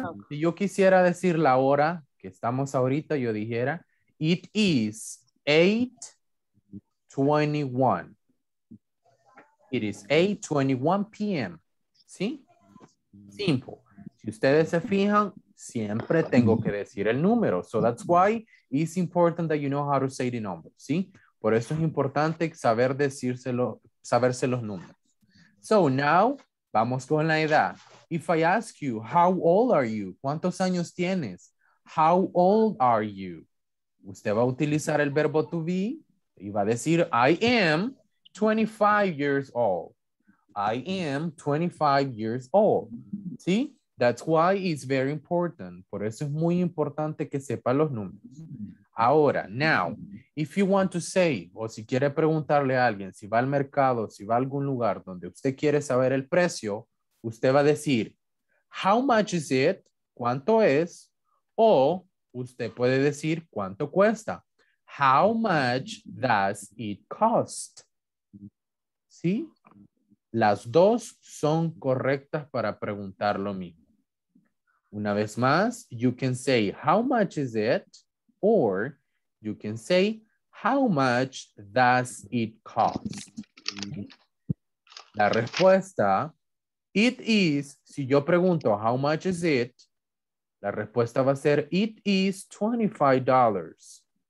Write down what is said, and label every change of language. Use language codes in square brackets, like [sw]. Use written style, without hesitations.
[es] Si yo quisiera decir la hora que estamos ahorita, yo dijera, [en] it is 8:21. It is 8:21 p.m. [es] ¿Sí? [en] Simple. [es] Si ustedes se fijan, siempre tengo que decir el número. [en] So that's why it's important that you know how to say the number. [es] ¿Sí? Por eso es importante saber decírselo. Saberse los números. [en] So now, [es] vamos con la edad. [en] If I ask you, how old are you? [es] ¿Cuántos años tienes? [en] How old are you? [es] Usted va a utilizar el verbo to be y va a decir, [en] I am 25 years old. I am 25 years old. [es] ¿Sí? [en] That's why it's very important. [es] Por eso es muy importante que sepa los números. Ahora, [en] now, if you want to say, [es] o si quiere preguntarle a alguien, si va al mercado, si va a algún lugar donde usted quiere saber el precio, usted va a decir, [en] how much is it? [es] ¿Cuánto es? O usted puede decir, ¿cuánto cuesta? [en] How much does it cost? [es] ¿Sí? Las dos son correctas para preguntar lo mismo. Una vez más, [en] you can say, how much is it? Or you can say, how much does it cost? [es] La respuesta, [en] It is, [es] si yo pregunto [en] how much is it, [es] la respuesta va a ser [en] it is $25.